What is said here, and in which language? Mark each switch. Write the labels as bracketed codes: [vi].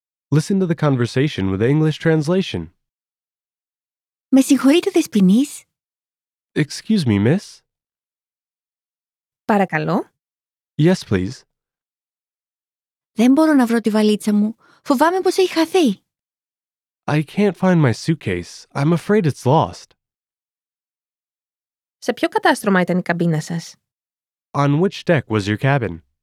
[en] Listen to the conversation with the English translation. [el] Με συγχωρείτε, δεσποινής. [en] Excuse me, miss. [el] Παρακαλώ. [en] Yes, please. [el] Δεν μπορώ να βρω τη βαλίτσα μου. Φοβάμαι πως έχει χαθεί. [en] I can't find my suitcase. I'm afraid it's lost. [el] Σε ποιο κατάστρωμα ήταν η καμπίνα σας? [en] On which deck was your cabin?